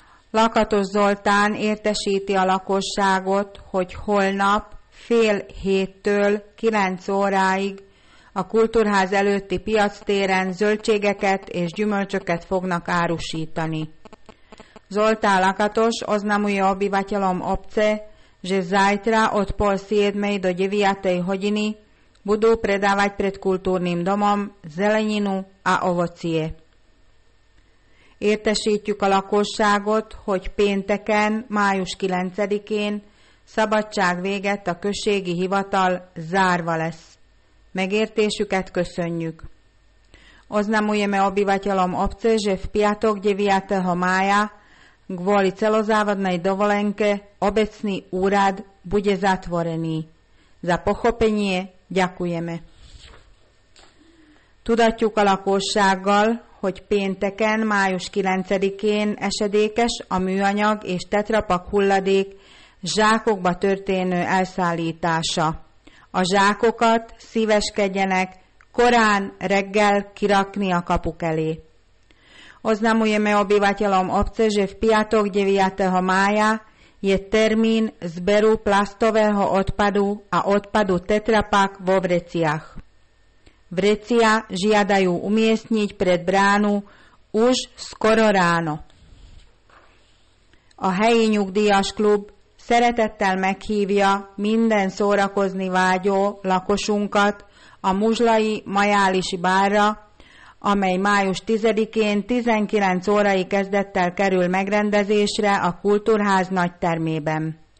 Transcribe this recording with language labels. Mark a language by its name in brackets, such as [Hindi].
[Hungarian] Lakatos Zoltán értesíti a lakosságot, hogy holnap 7-től 9 óráig a kultúrház előtti piactéren zöldségeket és gyümölcsöket fognak árusítani. [Slovak] Zoltán Lakatos oznamuje obyvateľom obce, že zajtra od 6:30 do 9:00 budú predávať pred kultúrnym domom zeleninu a ovocie. [Hungarian] Értesítjük a lakosságot, hogy pénteken, május 9-én szabadság véget a községi hivatal zárva lesz. Megértésüket köszönjük. [Slovak] Oznamujeme obyvateľom obce, že v piatok 9. mája kvôli celozávodnej dovolenke obecný úrad bude zatvorený. Za pochopenie ďakujeme. [Hungarian] Tudatjuk a lakossággal, hogy pénteken, május 9-én esedékes a műanyag és tetrapak hulladék zsákokba történő elszállítása. A zsákokat szíveskedjenek korán reggel kirakni a kapuk elé. [Slovak] Oznamujeme obyvateľom obce, že v piatok 9. mája je termín zberu plastového odpadu a odpadu tetrapak vo vreciach. Vrecia žiadajú umiestniť pred bránu už skoro ráno. [Hungarian] A helyi nyugdíjas klub szeretettel meghívja minden szórakozni vágyó lakosunkat a muzslai majálisi bárra, amely május 10-én 19 órai kezdettel kerül megrendezésre a kultúrház nagytermében.